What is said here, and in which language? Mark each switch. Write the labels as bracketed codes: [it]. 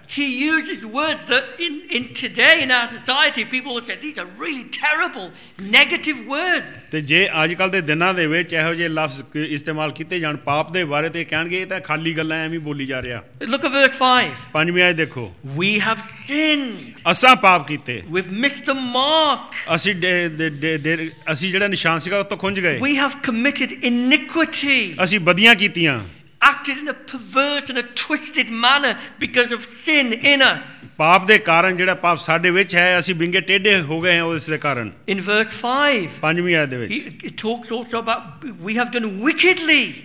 [en] He uses words that in today in our society people would say these are really terrible negative words. [pa] ਤੇ ਜੇ ਅੱਜ ਕੱਲ ਦੇ ਦਿਨਾਂ ਦੇ ਵਿੱਚ ਇਹੋ ਜਿਹੇ ਲਫ਼ਜ਼ ਇਸਤੇਮਾਲ ਕੀਤੇ ਜਾਣ ਪਾਪ ਦੇ ਬਾਰੇ ਤੇ ਕਹਿਣਗੇ ਇਹ ਤਾਂ ਖਾਲੀ ਗੱਲਾਂ ਐਵੇਂ ਬੋਲੀ ਜਾ ਰਿਹਾ. [en] Look at verse 5. [pa] ਪੰਜਵੀਂ ਆਇਤ ਦੇਖੋ. [en] We have sinned. [pa] ਅਸਾਂ ਪਾਪ ਕੀਤੇ. [en] We've missed the mark. [pa] ਅਸੀਂ ਜਿਹੜਾ ਨਿਸ਼ਾਨ ਸੀਗਾ ਉਹ ਤੋਂ ਖੁੰਝ ਗਏ. [en] We have committed iniquity. [pa] ਅਸੀਂ ਬਦੀਆਂ ਕੀਤੀਆਂ. [en] Acted in a perverse and a twisted manner because of sin in us. [pa] ਪਾਪ ਦੇ ਕਾਰਨ ਜਿਹੜਾ ਪਾਪ ਸਾਡੇ ਵਿੱਚ ਹੈ ਅਸੀਂ ਵਿੰਗੇ ਟੇਢੇ ਹੋ ਗਏ ਹਾਂ ਉਸ ਦੇ ਕਾਰਨ. [en] In verse 5. [pa] ਪੰਜਵੀਂ ਆਇਤ ਦੇ ਵਿੱਚ. [en] It talks also about we have done wickedly.